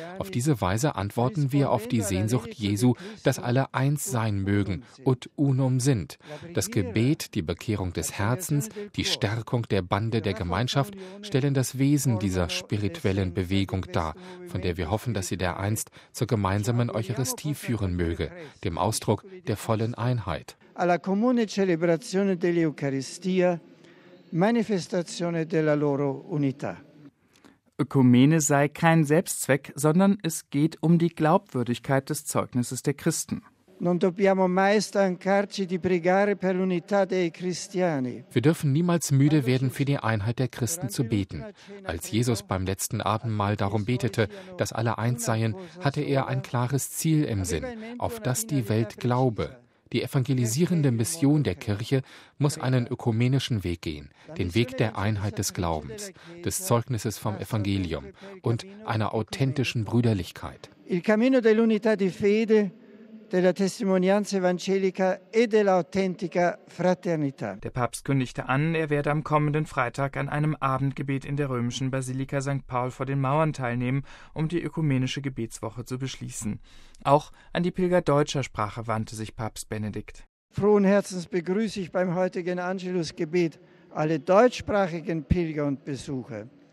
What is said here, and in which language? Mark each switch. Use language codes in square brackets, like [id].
[de] Auf diese Weise antworten wir auf die Sehnsucht Jesu, dass alle eins sein mögen und unum sind. Das Gebet, die Bekehrung des Herzens, die Stärkung der Bande der Gemeinschaft stellen das Wesen dieser spirituellen Bewegung dar, von der wir hoffen, dass sie dereinst zur gemeinsamen Eucharistie führen möge, dem Ausdruck der vollen Einheit. [it] Alla comune celebrazione dell'Eucaristia, manifestazione della loro unità. [de] Ökumene sei kein Selbstzweck, sondern es geht um die Glaubwürdigkeit des Zeugnisses der Christen. [it] Non dobbiamo mai stancarci di pregare per l'unità dei cristiani. [de] Wir dürfen niemals müde werden, für die Einheit der Christen zu beten. Als Jesus beim letzten Abendmahl darum betete, dass alle eins seien, hatte er ein klares Ziel im Sinn, auf das die Welt glaube. Die evangelisierende Mission der Kirche muss einen ökumenischen Weg gehen, den Weg der Einheit des Glaubens, des Zeugnisses vom Evangelium und einer authentischen Brüderlichkeit. [it] Il cammino dell'unità di fede, della testimonianza evangelica e dell'autentica fraternità. [de] Der Papst kündigte an, er werde am kommenden Freitag an einem Abendgebet in der römischen Basilika St. Paul vor den Mauern teilnehmen, um die ökumenische Gebetswoche zu beschließen. Auch an die Pilger deutscher Sprache wandte sich Papst Benedikt. Frohen Herzens begrüße ich beim heutigen Angelusgebet alle deutschsprachigen Pilger und Besucher.